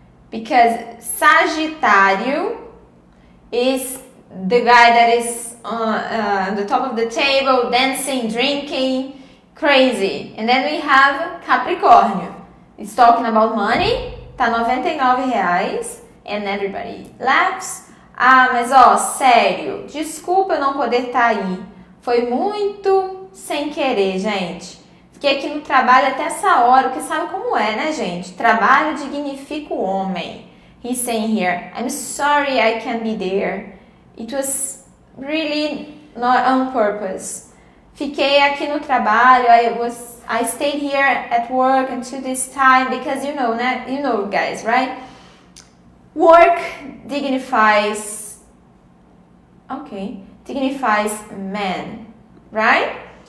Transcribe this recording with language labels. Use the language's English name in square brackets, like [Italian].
[English] Because Sagittario is the guy that is on the top of the table, dancing, drinking, crazy. And then we have Capricórnio. He's talking about money, [Portuguese] tá 99 reais, [English] and everybody laughs. [Portuguese] Ah, mas ó, sério, desculpa eu não poder estar aí. Foi muito sem querer, gente. Fiquei aqui no trabalho até essa hora, porque sabe como é, né, gente? Trabalho dignifica o homem. [English] He's saying here, I'm sorry I can't be there. It was really not on purpose. [Portuguese] Fiquei aqui no trabalho, [English] I stayed here at work until this time, because you know, né? You know, guys, right? Work dignifies, okay, dignifies men, right?